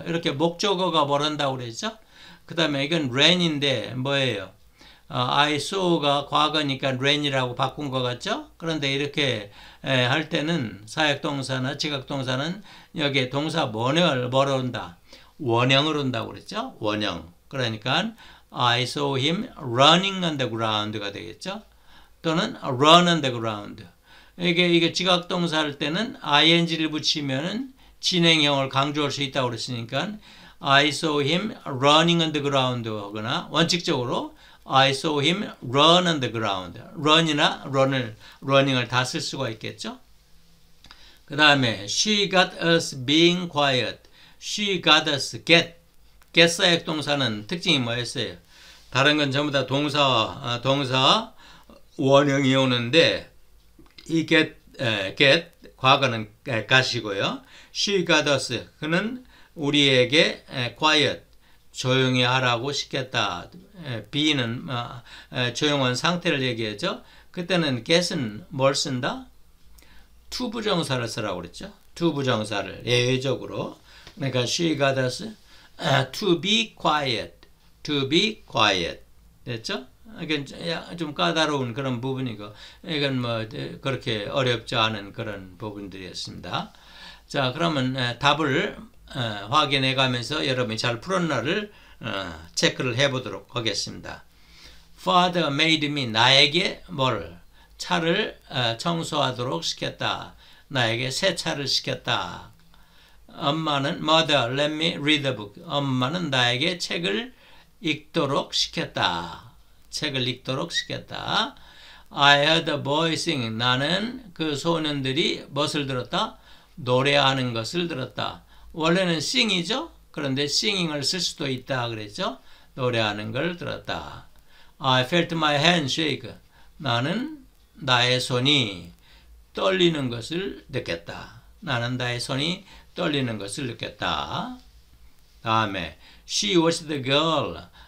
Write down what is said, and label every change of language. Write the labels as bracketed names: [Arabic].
[Korean] 이렇게 목적어가 뭐란다고 그랬죠? 그 다음에 이건 ran인데 뭐예요? [English] I saw [Korean] 가 과거니까 ran이라고 바꾼 것 같죠? 그런데 이렇게 할 때는 사역동사나 직역동사는 여기에 동사 원형을 뭐로 온다? 원형으로 온다고 그랬죠? 원형. 그러니까 [English] I saw him running on the ground가 되겠죠? [Korean] 또는 [English] run on the ground. [Korean] 이게 직역동사 할 때는 ing를 붙이면은 진행형을 강조할 수 있다고 그랬으니까 [English] I saw him running on the ground [Korean] 하거나 원칙적으로 [English] I saw him run on the ground. [Korean] run이나 run을 running을 다쓸 수가 있겠죠? 그 다음에 [English] she got us being quiet. she got us get [Korean] 사역동사는 특징이 뭐였어요? 다른 건 전부 다 동사 원형이 오는데 이 get 과거는 got이고요. [English] She got us [Korean] 그는 우리에게 quiet 조용히 하라고 시켰다. be는 조용한 상태를 얘기하죠. 그때는 get은 뭘 쓴다? to 부정사를 쓰라고 그랬죠. to 부정사를 예외적으로. 그러니까 [English] she got us to be quiet. to be quiet. [Korean] 됐죠? 이건 좀 까다로운 그런 부분이고, 이건 뭐 그렇게 어렵지 않은 그런 부분들이었습니다. 자, 그러면 답을 확인해 가면서 여러분이 잘 풀었나를 체크를 해 보도록 하겠습니다. [English] Father made me [Korean] 나에게 뭘? 차를 청소하도록 시켰다. 나에게 새 차를 시켰다. [English] Mother, let me read the book. [Korean] 엄마는 나에게 책을 읽도록 시켰다. 책을 읽도록 시켰다. [English] I heard a boy sing. [Korean] 나는 그 소년들이 무엇을 들었다? 노래하는 것을 들었다. 원래는 sing이죠? 그런데 singing을 쓸 수도 있다 그랬죠? 노래하는 걸 들었다. [English] I felt my hand shake. [Korean] 나는 나의 손이 떨리는 것을 느꼈다. 나는 나의 손이 떨리는 것을 느꼈다. [English] 다음에 she was the girl.